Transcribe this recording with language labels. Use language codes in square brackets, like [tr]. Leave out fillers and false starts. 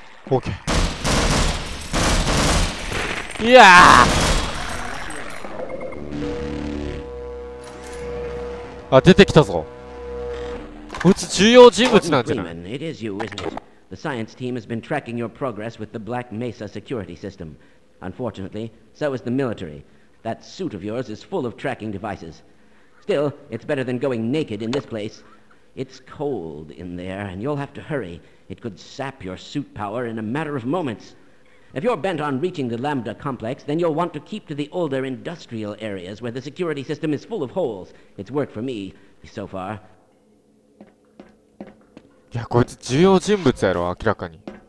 [ja] オーケー。いやー、あ、出てきたぞ。こいつ重要人物なんじゃない。 [en] ウィズニー、The science team has been tracking your progress with the Black Mesa security system. Unfortunately, so is the military. That suit of yours is full of tracking devices. Still, it's better than going naked in this place. It's cold in there, and you'll have to hurry. It could sap your suit power in a matter of moments. If you're bent on reaching the Lambda complex, then you'll want to keep to the older industrial areas where the security system is full of holes. It's worked for me so far. [ja] いや、こいつ重要人物やろ、明らかに。